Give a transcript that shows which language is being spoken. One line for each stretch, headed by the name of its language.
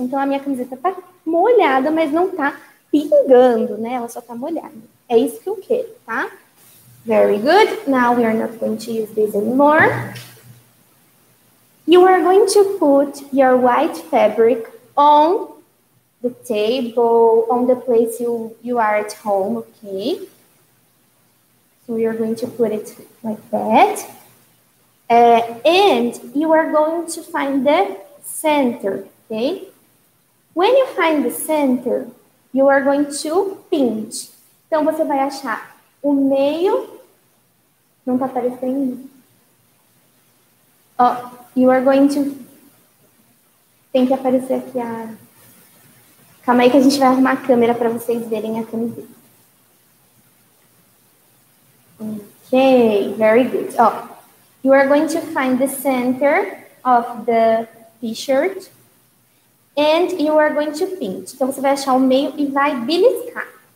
Portuguese: Então, a minha camiseta tá molhada, mas não tá pingando, né? Ela só tá molhada. É isso que eu quero, tá?
English: Very good. Now we are not going to use this anymore. You are going to put your white fabric on the table, on the place you are at home, okay? So you are going to put it like that. And you are going to find the center, okay? When you find the center, you are going to pinch.
Portuguese: Então você vai achar o meio. Não tá aparecendo.
English: Oh, you are going to.
Portuguese: Tem que aparecer aqui a. Calma aí que a gente vai arrumar a câmera para vocês verem a camiseta.
English: Ok, very good. Oh, you are going to find the center of the t-shirt. And you are going to pinch.
Portuguese: Então, você vai achar o meio e vai beliscar.